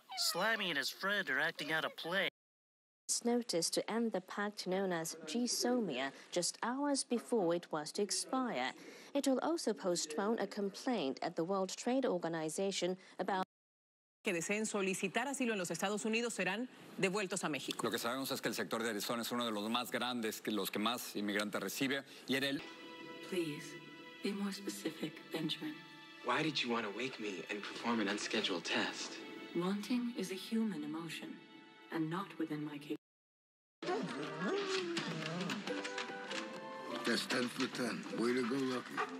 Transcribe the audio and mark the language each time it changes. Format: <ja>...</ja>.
<en>Slimy and his friend are acting out a play. This notice to end the pact known as G-Somia just hours before it was to expire. It will also postpone a complaint at the World Trade Organization about... Okay.</en> <es>que deseen solicitar asilo en los Estados Unidos serán devueltos a México. Lo que sabemos es que el sector de Arizona es uno de los más grandes, que los que más inmigrantes recibe, y en él...</es> <en>Please, be more specific, Benjamin. Why did you want to wake me and perform an unscheduled test? Wanting is a human emotion, and not within my capability. That's 10 for 10. Way to go, Lucky.</en>